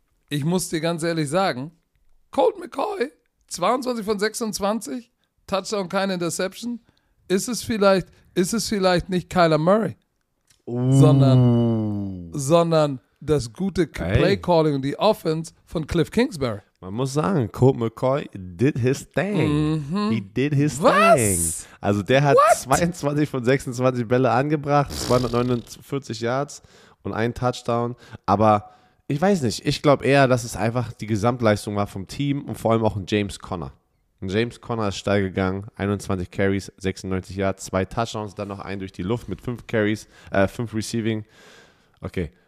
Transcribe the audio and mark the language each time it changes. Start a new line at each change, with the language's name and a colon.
German: Ich muss dir ganz ehrlich sagen, Colt McCoy, 22 von 26, Touchdown, keine Interception. Ist es vielleicht nicht Kyler Murray, sondern das gute Play-Calling und die Offense von Cliff Kingsbury. Man muss sagen, Colt McCoy
English: did his thing. Mm-hmm. He did his
German: Was?
English: Thing.
German: Also der hat 22 von 26 Bälle angebracht, 249 Yards und einen Touchdown. Aber ich weiß nicht, ich glaube eher, dass es einfach die Gesamtleistung war vom Team und vor allem auch ein James Conner. Ein James Conner ist steil gegangen, 21 Carries, 96 Yards, 2 Touchdowns, dann noch einen durch die Luft mit 5 Receiving. Okay.